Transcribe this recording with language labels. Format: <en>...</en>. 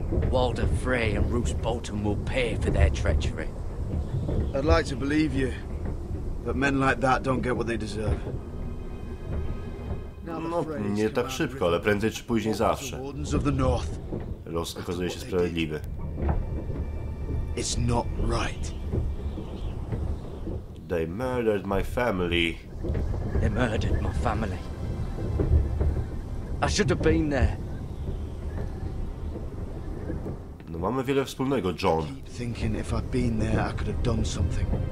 <en>Walder Frey and Roose Bolton will pay for their treachery. I'd like to believe you, but men like that don't get what they deserve.</en> <pl>No, nie tak szybko, ale prędzej czy później zawsze. Los okazuje się sprawiedliwy.</pl> <en>It's not right. They murdered my family. They murdered my family. I should have been there.</en> <pl>No mamy wiele wspólnego, John.</pl> <en>I keep thinking if I'd been there, I could have done something.</en>